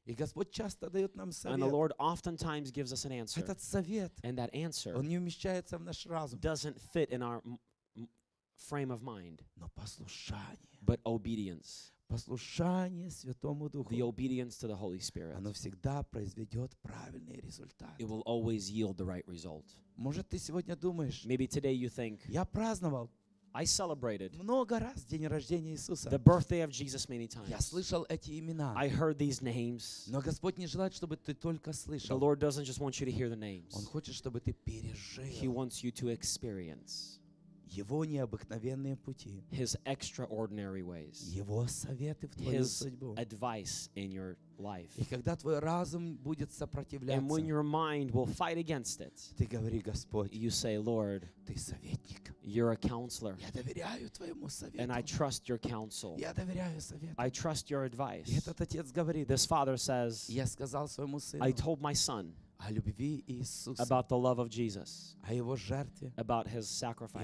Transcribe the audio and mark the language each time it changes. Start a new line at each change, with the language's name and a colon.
English: And the Lord oftentimes gives us an answer. And that answer doesn't fit in our frame of mind, but obedience.
Russian: Послушание Святому Духу.
English: The obedience to the Holy Spirit.
Russian: Оно всегда произведет правильный результат.
English: It will always yield the right result.
Russian: Может, ты сегодня думаешь?
English: Maybe today you think.
Russian: Я праздновал.
English: I celebrated.
Russian: Много раз день рождения Иисуса.
English: The birthday of Jesus many times.
Russian: Я слышал эти имена.
English: I heard these names.
Russian: Но Господь не желает, чтобы ты только слышал.
English: The Lord doesn't just want you to hear the names.
Russian: Он хочет, чтобы ты пережил.
English: He wants you to experience.
Russian: Его необыкновенные пути.
English: His extraordinary ways.
Russian: Его советы в твою судьбу.
English: His advice in your life.
Russian: И когда твой разум будет сопротивляться.
English: And when your mind will fight against it.
Russian: Ты говори, Господь.
English: You say, Lord.
Russian: Ты советник.
English: You're a counselor.
Russian: Я доверяю твоему совету.
English: And I trust your counsel.
Russian: Я доверяю совету.
English: I trust your advice.
Russian: И этот отец говорит.
English: This father says.
Russian: Я сказал своему сыну.
English: I told my son.
Russian: О любви Иисуса.
English: About the love of Jesus.
Russian: О его жертве.
English: About his sacrifice.